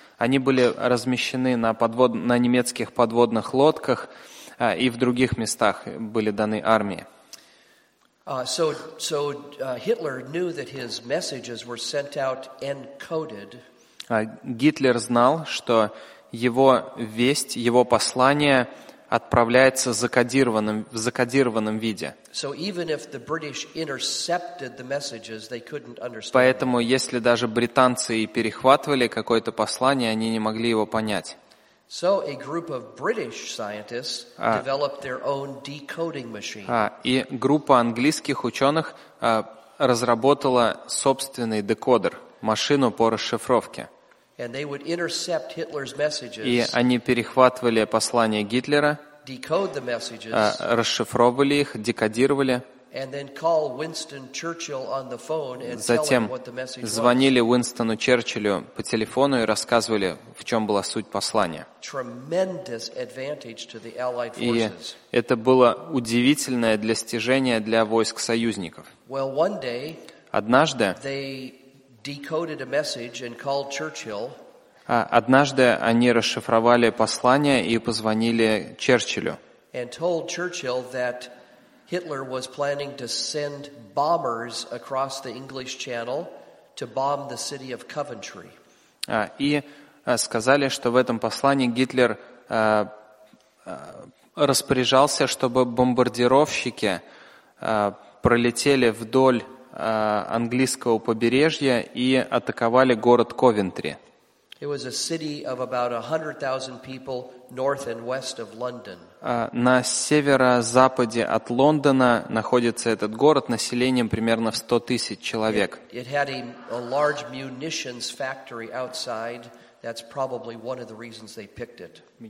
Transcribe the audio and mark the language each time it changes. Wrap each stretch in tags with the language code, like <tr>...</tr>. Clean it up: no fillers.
<ru>Они были размещены на немецких подводных лодках и в других местах были даны армии.</ru> <en>So Hitler knew that his messages were sent out encoded.</en> <ru>Гитлер знал, что его весть, его послание отправляется в закодированном виде.</ru> <en>So even if the British intercepted the messages, they couldn't understand.</en> <ru>Поэтому, если даже британцы и перехватывали какое-то послание, они не могли его понять.</ru> <en>So a group of British scientists developed their own decoding machine.</en> <ru>И группа английских ученых разработала собственный декодер, машину по расшифровке.</ru> <en>And they would intercept Hitler's messages.</en> <ru>И они перехватывали послания Гитлера.</ru> <en>Decode the messages.</en> <ru>Расшифровывали их, декодировали.</ru> <en>And then call Winston Churchill on the phone and</en> <ru>Затем</ru> <en>tell him what the message was.</en> <ru>Звонили Уинстону Черчиллю по телефону и рассказывали, в чем была суть послания.</ru> <en>Tremendous advantage to the Allied forces.</en> <ru>И это было удивительное достижение для войск союзников.</ru> <en>Well, one day,</en> <ru>однажды</ru> <en>they decoded a message and called Churchill.</en> <ru>Однажды они расшифровали послание и позвонили Черчиллю.</ru> <en>And told Churchill that Hitler was planning to send bombers across the English Channel to bomb the city of Coventry.</en> <ru>И сказали, что в этом послании Гитлер распоряжался, чтобы бомбардировщики пролетели вдоль английского побережья и атаковали город Ковентри.</ru> <en>It was a city of about 100,000 people north and west of London.</en> <ru>На северо-западе от Лондона находится этот город населением примерно в 100 тысяч человек.</ru> <en>It had a large munitions factory outside. That's probably one of the reasons they picked it.</en>